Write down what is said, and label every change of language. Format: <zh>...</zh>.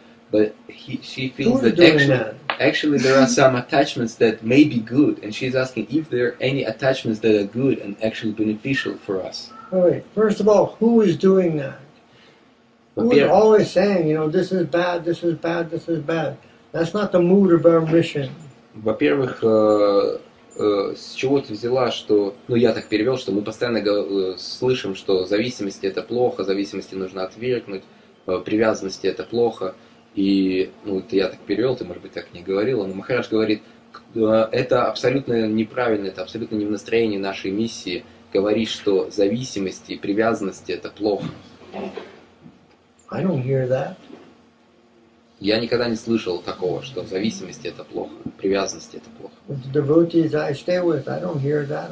<en>But she feels that actually there are some attachments that may be good, and she's asking if there are any attachments that are good and actually beneficial for us. All right. First of all, who is doing that? Who is always saying, you know, this is bad, this is bad, this is bad. That's not the mood of our mission.</en> <ru>Во-первых, с чего ты взяла, что... Ну, я так перевел, что мы постоянно слышим, что зависимости это плохо, зависимости нужно отвергнуть, привязанности это плохо. И, ну, это я так перевел, ты, может быть, так не говорила. Но Махарадж говорит, это абсолютно неправильно, это абсолютно не в настроении нашей миссии говорить, что зависимости и привязанности это плохо.</ru> <en>I don't hear that.</en> <ru>Я никогда не слышал такого, что зависимости это плохо, привязанности это плохо.</ru> <en>With the devotees I stay with, I don't hear that.</en>